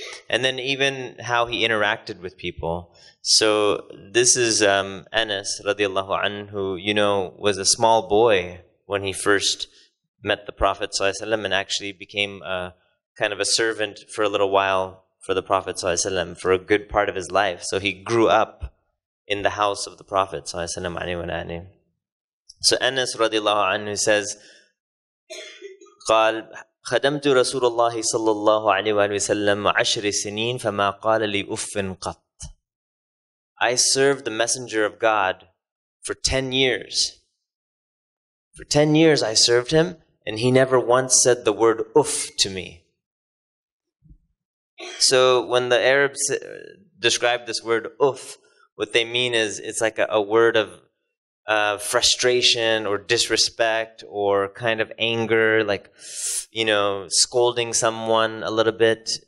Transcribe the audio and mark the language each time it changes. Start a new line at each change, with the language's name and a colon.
English: And then even how he interacted with people. So this is Anas radiallahu anhu, who, was a small boy when he first met the Prophet sallallahu alaihi wasallam, and actually became a kind of a servant for a little while for the Prophet sallallahu alaihi wasallam, for a good part of his life. So he grew up in the house of the Prophet sallallahu alaihi wasallam, alayhi wa alayhi. So Anas radiallahu anhu says,
Arabic: قال خدمت رسول الله صلى الله عليه وسلم عشر سنين فما قال لي أفن قط.
English: I served the Messenger of God for 10 years. For 10 years I served him, and he never once said the word uff to me. So when the Arabs describe this word uff, what they mean is it's like a word of frustration or disrespect or kind of anger, like, scolding someone a little bit.